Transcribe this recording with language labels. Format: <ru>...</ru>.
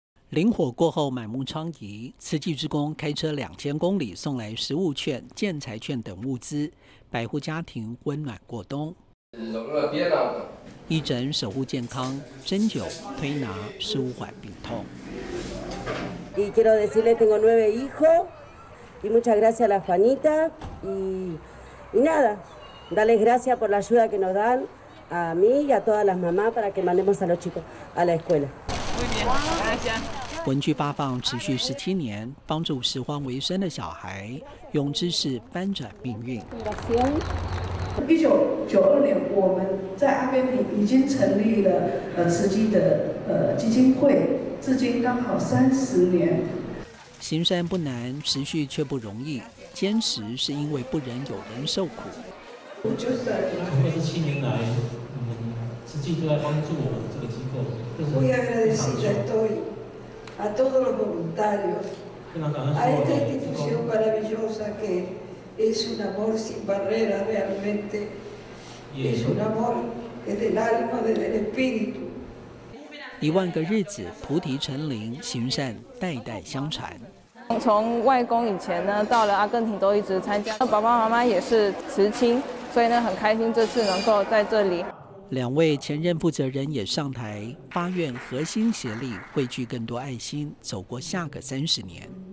<zh>林火过后满目疮痍，慈济志工开车2000公里送来食物券、建材券等物资，百户家庭温暖过冬。医诊守护健康，针灸、推拿、舒缓病痛。</zh> <es>Y quiero decirle tengo 9 hijos y muchas gracias a la Juanita y nada, darles gracias por la ayuda que nos dan a mí y a todas las mamás para que mandemos a los chicos a la escuela. Muy bien, gracias.</es> <zh>文具发放持续17年，帮助拾荒为生的小孩用知识翻转命运。 1992年，我们在阿根廷已经成立了慈济的基金会，至今刚好30年。行善不难，持续却不容易。坚持是因为不忍有人受苦。我就是在等。二十七年来，你们实际都在帮助我们这个机构。</zh> <es>Muy agradecida estoy a todos los voluntarios, a esta institución maravillosa que es un amor sin barreras realmente, es un amor que es del alma, es del espíritu.</es> <zh>一万个日子，菩提成林，行善代代相传。从外公以前呢，到了阿根廷都一直参加，爸爸妈妈也是慈亲，所以呢很开心这次能够在这里。两位前任负责人也上台发愿，核心协力，汇聚更多爱心，走过下个三十年。</zh>